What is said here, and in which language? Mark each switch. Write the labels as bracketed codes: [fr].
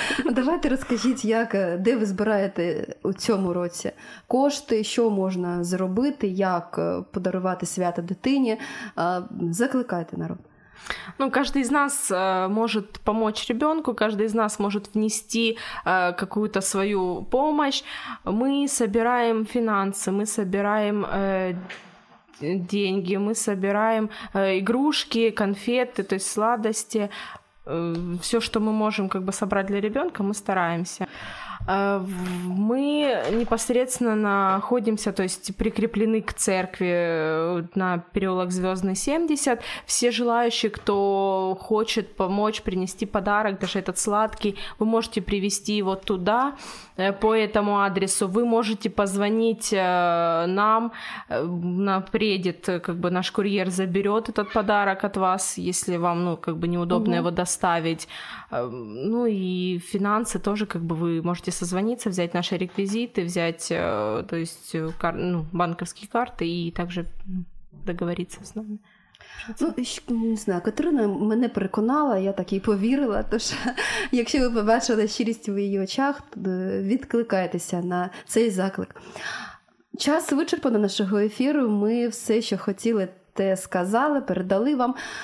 [uk] Давайте розкажіть, як, де ви збираєте у цьому році кошти, що можна зробити, як подарувати свято дитині, закликайте народ. [ru] Ну, каждый из нас может помочь ребенку, каждый из нас может внести какую-то свою помощь. Мы собираем финансы, мы собираем деньги, мы собираем игрушки, конфеты, то есть сладости. Все, что мы можем как бы собрать для ребенка, мы стараемся. Мы непосредственно находимся, то есть прикреплены к церкви на переулок Звездный 70. Все желающие, кто хочет помочь, принести подарок, даже этот сладкий, вы можете привезти его туда, по этому адресу. Вы можете позвонить нам, приедет, как бы наш курьер заберет этот подарок от вас, если вам, ну, как бы неудобно его доставить. Ну и финансы тоже, как бы вы можете созвониться, взять наши реквизиты, взять, то есть, банковские карты и также договориться с нами. [uk] Ну, не знаю, Катерина мене переконала, я так їй повірила, тож якщо ви побачили щирість в її очах, то відкликайтеся на цей заклик. Час вичерпано нашого ефіру, ми все, що хотіли, те сказали, передали вам.